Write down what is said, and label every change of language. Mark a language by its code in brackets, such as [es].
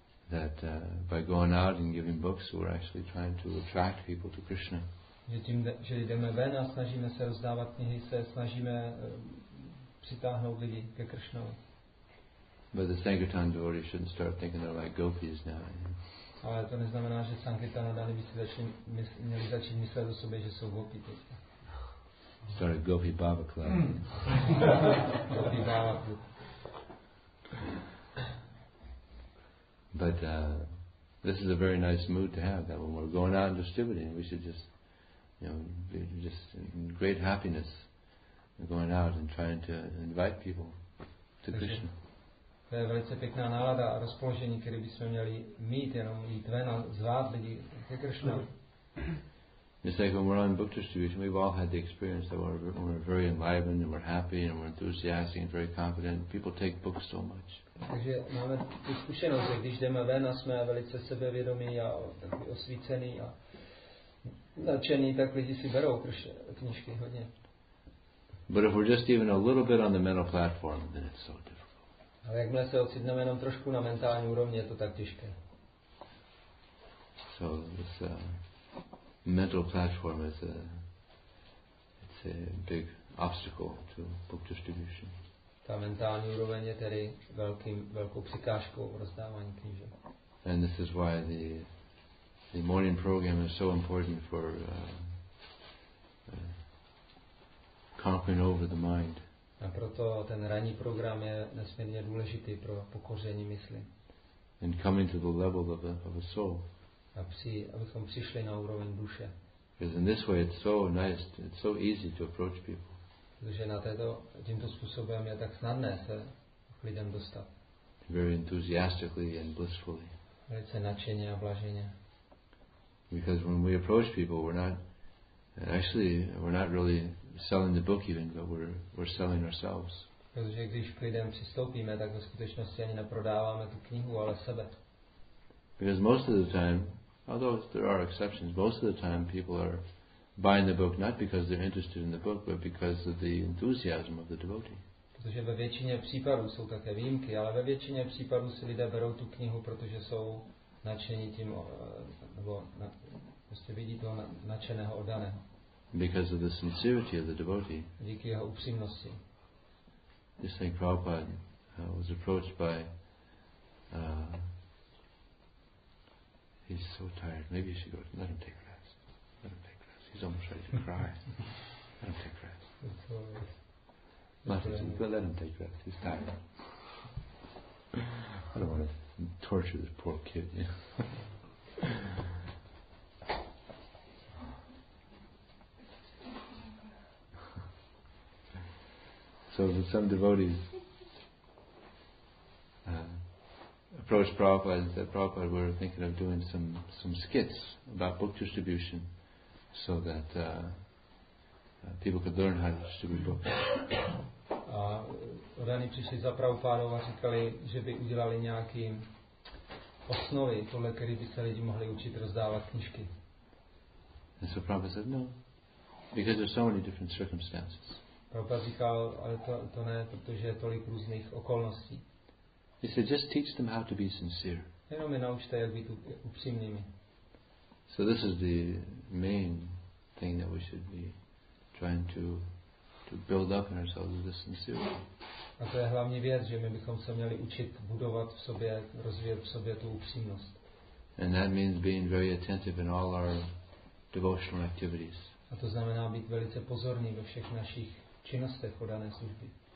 [en] That by going out and giving books, we're actually trying to attract people to Krishna. [cs] Že tím, že jdeme ven a snažíme se rozdávat knihy, se snažíme přitáhnout lidi ke Kršnovi. [en] But the Sankirtan devotees shouldn't start thinking they're like gopis now. [cs] Ale to neznamená, že Sankirtanodany by si měli začít myslet o sobě, že jsou gopi. [en] Start a gopi bhava club. Gopi bhava club. But this is a very nice mood to have, that when we're going out and distributing, we should just, you know, just in great happiness going out and trying to invite people to Krishna. [cs] To je velice pěkná nálada a rozpoložení, které bychom měli mít, jenom jít ven a zvát lidi ke Krishna. [en] Just like when we're on book distribution, we've all had the experience that we're very enlivened and we're happy and we're enthusiastic and very confident. People take books so much. [cs] Takže máme tu zkušenost, že když jdeme ven a jsme velice sebevědomí a takový osvícený a nadšený, tak lidi si berou knížky hodně. [en] But if we're just even a little bit on the mental platform, then it's so difficult. [cs] Ale jakmile se ocitneme jenom trošku na mentální úrovni, je to tak těžké. [en] So this mental platform is it's a big obstacle to book distribution. [cs] Ta mentální úroveň je tedy velkou překážkou rozdávání knížek. [en] And this is why the morning program is so important for conquering over the mind. [cs] A proto ten ranní program je nesmírně důležitý pro pokoření mysli. [en] And coming to the level of a soul. [cs] Abychom přišli na úroveň duše. [en] Because in this way it's so nice, it's so easy to approach people. [cs] Protože na této, tímto způsobem je tak snadné se k lidem dostat. [en] Very enthusiastically and blissfully. [cs] Velice nadšeně a blaženě. [en] Because when we approach people, we're not really selling the book even, but we're selling ourselves. [cs] Protože když k lidem přistoupíme, tak ve skutečnosti ani neprodáváme tu knihu, ale sebe. [en] Because most of the time, although there are exceptions, most of the time people are buying the book not because they're interested in the book, but because of the enthusiasm of the devotee. [cs] Protože ve většině případů jsou také výjimky, ale ve většině případů si lidé berou tu knihu, protože jsou nadšení tím, nebo prostě vidí toho nadšeného oddaného. [en] Because of the sincerity of the devotee. [cs] Díky jeho upřímnosti. [en] Just like Prabhupada was approached by he's so tired, maybe you should go, let him take rest. he's almost ready to cry. Let him take rest. Let him take rest. He's tired. I don't want to torture this poor kid. You know? So some devotees approached Prabhupada and said, Prabhupada, we're thinking of doing some skits about book distribution so that people could learn how to distribute books. [cs] A rany přišli za Prabhupádou a říkali, že by udělali nějaké osnovy, podle které by se lidi mohli učit rozdávat knížky. [en] And so Prabhupada said, no, because there's so many different circumstances. [cs] Prabhupada říkal, ale to ne, protože je tolik různých okolností. [en] He said, just teach them how to be sincere. [cs] Jenom je naučte, jak být upřímnými. [en] So this is the main thing that we should be trying to build up in ourselves is the sincerity. [cs] A to je hlavní věc, že my bychom se měli učit budovat v sobě, rozvíjet v sobě tu upřímnost. [en] And that means being very attentive in all our devotional activities. [cs] A to znamená být velice pozorný ve všech našich činnostech o dané služby.